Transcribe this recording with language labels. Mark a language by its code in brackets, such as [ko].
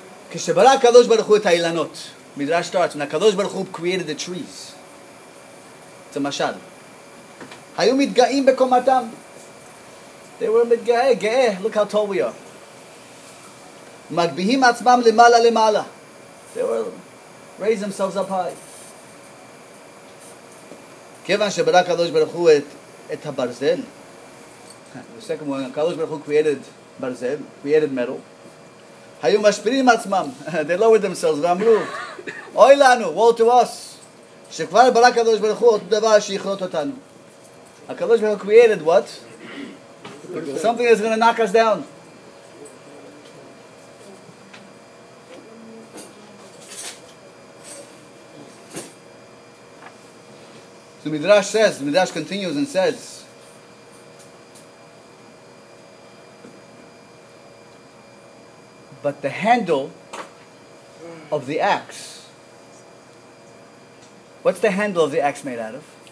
[he] Kishabara HaKadosh Baruch Hu et Ha'ilanot. [en] Midrash starts. When HaKadosh Baruch Hu created the trees. It's a Mashal. [he] Hayu mitga'im bekomatam. [en] They were mitga'eh. Look how tall we are. [he] Magbihim atzmam limala limala. [en] They were raise themselves up high. [he] כיוון שברא הקדוש ברוך הוא את הברזל, [en] the second one, [he] הקדוש ברוך הוא created ברזל, [en] created metal, [he] היו משפילים עצמם, [en] they lowered themselves, [he] ואמרו, אוי לנו, [en] woe to us, [he] שכבר ברא הקדוש ברוך הוא אותו דבר שיכרות אותנו. [en] הקדוש ברוך הוא created what? Something is going to knock us down. So Midrash says, Midrash continues and says, but the handle of the axe, what's the handle of the axe made out of?